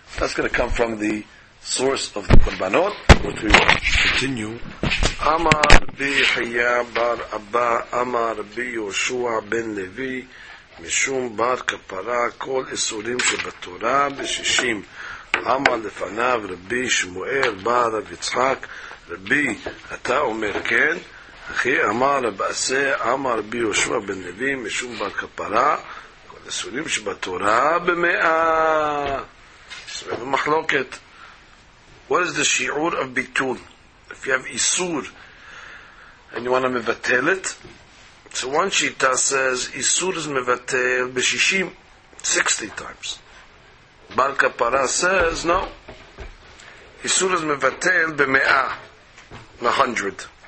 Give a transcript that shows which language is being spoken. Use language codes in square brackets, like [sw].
[en] That's going to come from the source of the Korbanot, which we will continue. [he] Amar bi Haya bar Abba, Amar bi Yoshua ben Levi, משום בר כפרה כל איסורים שבתורה בשישים. אמר לפניו רבי שמואל בר רב יצחק, רבי אתה אומר כן, אחי אמר רב עשה, אמר רבי יהושע בן לוי, משום בר כפרה כל איסורים שבתורה במאה. סביב המחלוקת, [en] what is the שיעור of ביטול? If you have איסור and you want to מבטל it, so one shita says [he] isur is mevatel b'shishim [en] 60 times. Bar Kapara says no, [he] isur is mevatel b'me'ah [en] 100.